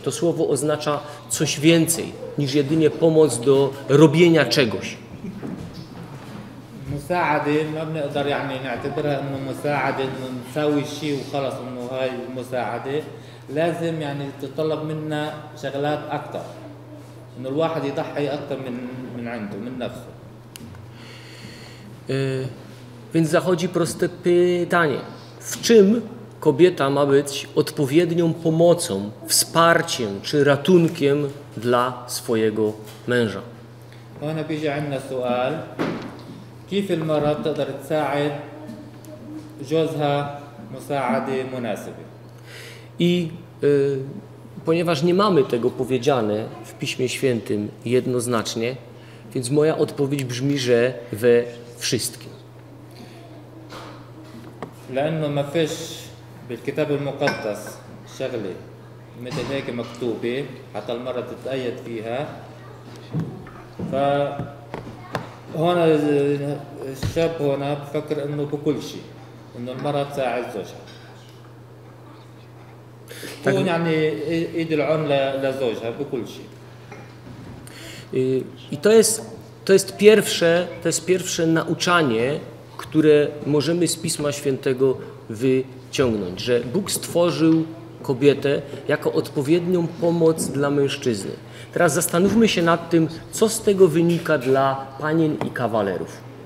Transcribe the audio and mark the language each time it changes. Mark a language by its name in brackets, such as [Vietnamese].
[Polish] To słowo oznacza coś więcej niż jedynie pomoc do robienia czegoś. [Arabic] مساعدة ما بنقدر يعني نعتبرها إنه مساعدة إنه نسوي شيء وخلص إنه هاي المساعدة، لازم يعني تطلب منا شغلات أكثر، إنه الواحد يضحي أكثر من عنده من نفسه. [Polish] Więc zachodzi proste pytanie, w czym kobieta ma być odpowiednią pomocą, wsparciem czy ratunkiem dla swojego męża? Ona bierze u nas pytanie, [Arabic] kif el mara tقدر تساعد جوزها مساعده مناسبه. [Polish] I ponieważ nie mamy tego powiedziane w Piśmie Świętym jednoznacznie, więc moja odpowiedź brzmi, że we wszystkim. [Arabic] لانه ما فيش بالكتاب المقدس شغله مثل هيك مكتوبه حتى المره تتايد فيها. فهنا الشاب هنا بفكر انه بكل شيء انه المره تساعد زوجها تكون يعني ايد العون لزوجها بكل شيء. [Polish] I to jest pierwsze nauczanie, które możemy z Pisma Świętego wyciągnąć, że Bóg stworzył kobietę jako odpowiednią pomoc dla mężczyzny. Teraz zastanówmy się nad tym, co z tego wynika dla panien i kawalerów.